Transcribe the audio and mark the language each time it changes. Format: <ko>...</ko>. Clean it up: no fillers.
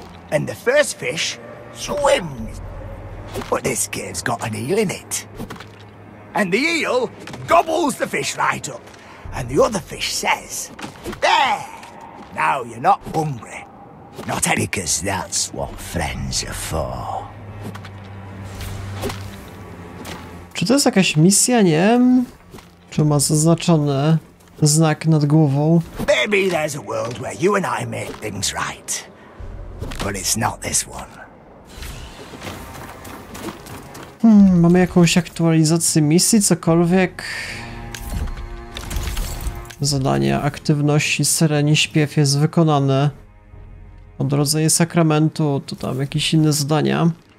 <en>And the first fish swims. But this cave's got an eel in it. And the eel gobbles the fish right up. And the other fish says, there, now you're not hungry. Not any, because that's what friends are for.</en> <pl>Czy to jest jakaś misja, nie? Czy ma zaznaczony znak nad głową?</pl> <en>Maybe there's a world where you and I make things right. But it's not this one.</en> <pl>Mamy jakąś aktualizację misji, cokolwiek. Zadanie aktywności syreni śpiew jest wykonane. Odrodzenie sakramentu, to tam jakieś inne zadania.</pl>